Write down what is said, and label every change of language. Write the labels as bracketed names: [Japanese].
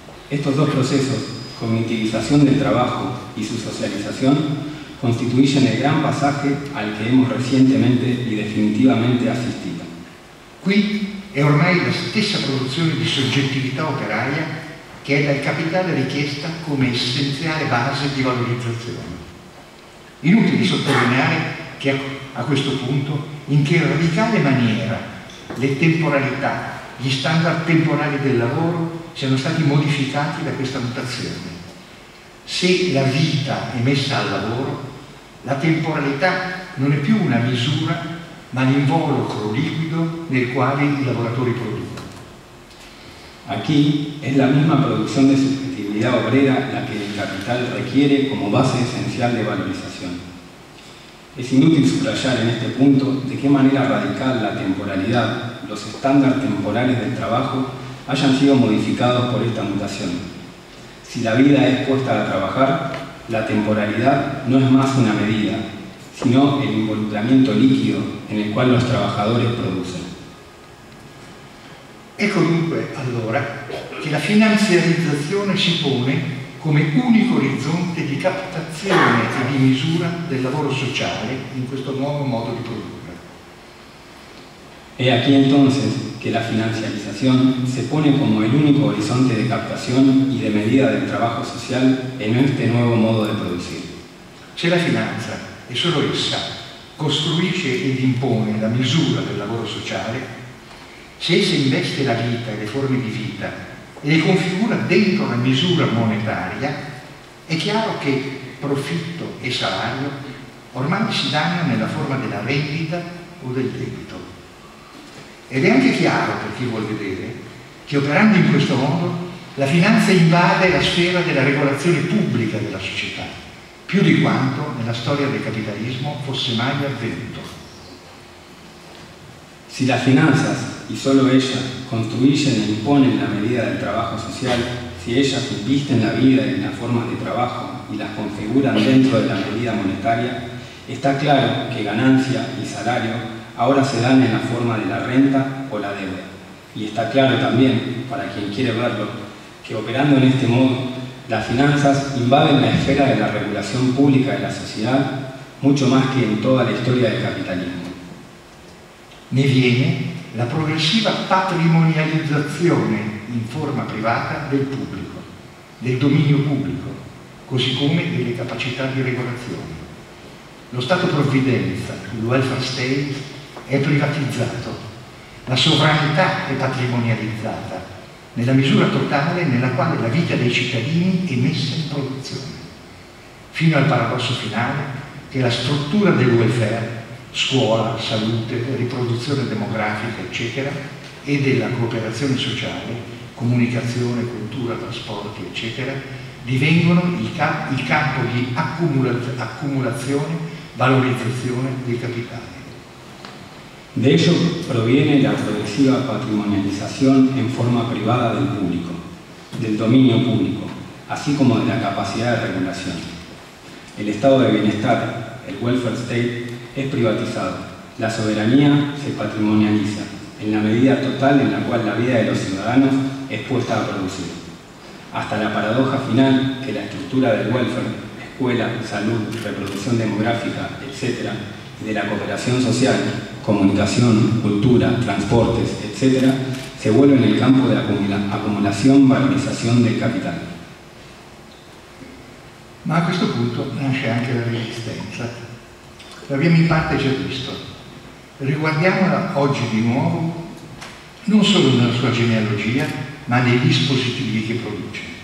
[Spanish] Estos dos procesos, cognitivización del trabajo y su socialización, constituyen el gran pasaje al que hemos recientemente y definitivamente asistido. [Italian] Qui è ormai la stessa produzione di soggettività operaria che è dal capitale richiesta come essenziale base di valorizzazione. Inutile sottolineare che a questo punto in che radicale maniera le temporalità, gli standard temporali del lavoro siano stati modificati da questa mutazione. Se la vita è messa al lavoro, la temporalità non è più una misura, ma l'involucro liquido nel quale i lavoratori producono. [Spanish] Aquí es la misma producción de subjetividad obrera la que el capital requiere como base esencial de valorización. Es inútil subrayar en este punto de qué manera radical la temporalidad, los estándares temporales del trabajo, hayan sido modificados por esta mutación. Si la vida es puesta a trabajar, la temporalidad no es más una medida, sino el involucramiento líquido en el cual los trabajadores producen. [Italian] Ecco dunque, allora, che la finanziarizzazione si pone come unico orizzonte di captazione e di misura del lavoro sociale in questo nuovo modo di produrre. [Spanish] E aquí entonces [Italian] che la finanziarizzazione [Spanish] se pone come el único horizonte de captación y de medida del trabajo social en este nuevo modo de producir. [Italian] Se la finanza, e solo essa, costruisce ed impone la misura del lavoro sociale, se essa investe la vita e le forme di vita e le configura dentro la misura monetaria, è chiaro che profitto e salario ormai si danno nella forma della rendita o del debito. Ed è anche chiaro, per chi vuol vedere, che operando in questo modo la finanza invade la sfera della regolazione pubblica della società, più di quanto nella storia del capitalismo fosse mai avvenuto. [Spanish] Si la finanza, y solo ellas construyen e imponen la medida del trabajo social, si ellas invisten la vida en las formas de trabajo y las configuran dentro de la medida monetaria, está claro que ganancia y salario ahora se dan en la forma de la renta o la deuda. Y está claro también, para quien quiere verlo, que operando en este modo, las finanzas invaden la esfera de la regulación pública de la sociedad mucho más que en toda la historia del capitalismo. [Italian] Ne viene la progressiva patrimonializzazione in forma privata del pubblico, del dominio pubblico, così come delle capacità di regolazione. Lo Stato Provvidenza, il welfare state, è privatizzato. La sovranità è patrimonializzata, nella misura totale nella quale la vita dei cittadini è messa in produzione. Fino al paradosso finale che la struttura del welfare, scuola, salute, riproduzione demografica, eccetera, e della cooperazione sociale, comunicazione, cultura, trasporti, eccetera, divengono il campo di accumulazione, valorizzazione del capitale. [Spanish] De ello proviene la [Italian] progressiva patrimonializzazione in forma privata del pubblico, del dominio pubblico, [Spanish] así como de la [Italian] capacità di regolazione. [Spanish] El estado de bienestar, el welfare state, es privatizado. La soberanía se patrimonializa en la medida total en la cual la vida de los ciudadanos es puesta a producir. Hasta la paradoja final que la estructura del welfare, escuela, salud, reproducción demográfica, etc., y de la cooperación social, comunicación, cultura, transportes, etc., se vuelve en el campo de la acumulación, valorización del capital. [Italian] Ma a questo punto nasce anche la resistenza. L'abbiamo in parte già visto. Riguardiamola oggi di nuovo, non solo nella sua genealogia, ma nei dispositivi che produce.